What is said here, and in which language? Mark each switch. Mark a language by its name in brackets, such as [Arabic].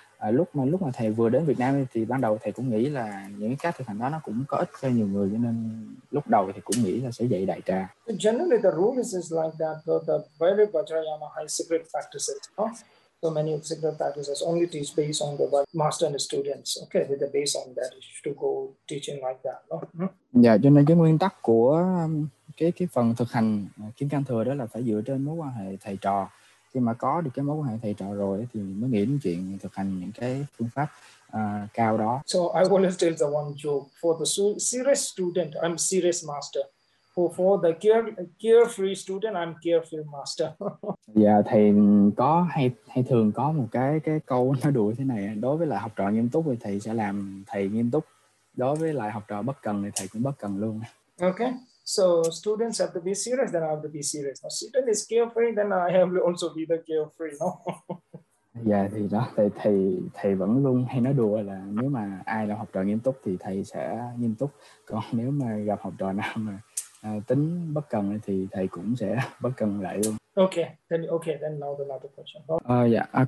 [Vietnamese] Lúc mà thầy vừa đến Việt Nam thì ban đầu thầy cũng nghĩ là những cách thực hành đó nó cũng có ích cho nhiều người, cho nên lúc đầu thì cũng nghĩ là sẽ dạy đại trà. [English] Generally the rule is like that, the very Vajrayana high secret practices, huh? So many secret practices only teach based on the master and the students. Okay, with the base on that, you should go teaching like that. No? [Vietnamese] Dạ, cho nên cái nguyên tắc của cái phần thực hành Kim Cang Thừa đó là phải dựa trên mối quan hệ thầy trò. Khi mà có được cái mối quan hệ thầy trò rồi thì mới nghĩ đến chuyện thực hành những cái phương pháp cao đó. [English] So I want to tell the one joke. For the serious student, I'm serious master. For the carefree student, I'm carefree master. [Vietnamese] Dạ, thì có hay thường có một cái câu nó đùa thế này. Đối với lại học trò nghiêm túc thì thầy sẽ làm thầy nghiêm túc. Đối với lại học trò bất cần thì thầy cũng bất cần luôn. [English] Okay. So students have to be serious, then I have to be serious. Now student is carefree, then I have to also be the carefree. No? [Vietnamese] Dạ thì đó, thầy vẫn luôn hay nói đùa là nếu mà ai là học trò nghiêm túc thì thầy sẽ nghiêm túc, còn nếu mà gặp học trò nào mà tính bất cần thì thầy cũng sẽ bất cần lại luôn. [English] Okay, then now the other question.